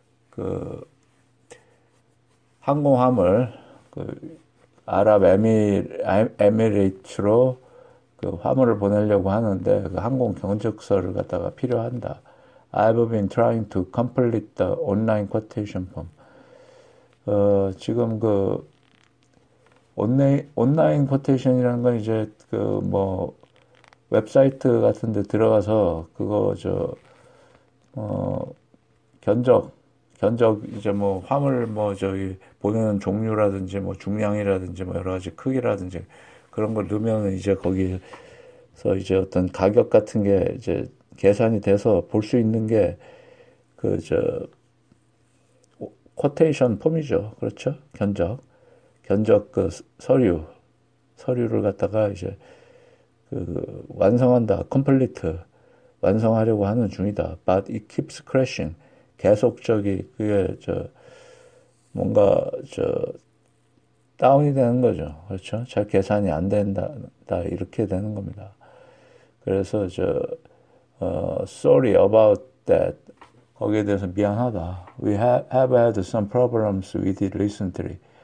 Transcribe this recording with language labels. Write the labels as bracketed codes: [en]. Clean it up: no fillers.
[ko] 그 항공함을 그 아랍 에미레이트로 그 화물을 보내려고 하는데 그 항공 견적서를 갖다가 필요한다. [en] I've been trying to complete the online quotation form. [ko] 지금 그 온라인 quotation이라는 건 이제 그 뭐 웹사이트 같은 데 들어가서 그거 저 견적 이제 뭐 화물 뭐 저기 보내는 종류라든지 뭐 중량이라든지 뭐 여러 가지 크기라든지 그런 걸 넣으면 이제 거기서 이제 어떤 가격 같은 게 이제 계산이 돼서 볼 수 있는 게 그 저 코테이션 폼이죠. 그렇죠? 견적 그 서류를 갖다가 이제 그 완성한다. 컴플리트 완성하려고 하는 중이다. [en] But it keeps crashing. [ko] 계속적이 그게 저 뭔가 저 다운이 되는 거죠. 그렇죠? 잘 계산이 안 된다. 다 이렇게 되는 겁니다. 그래서 저 [en] sorry about that. [ko] 거기에 대해서 미안하다. [en] We have had some problems with it recently.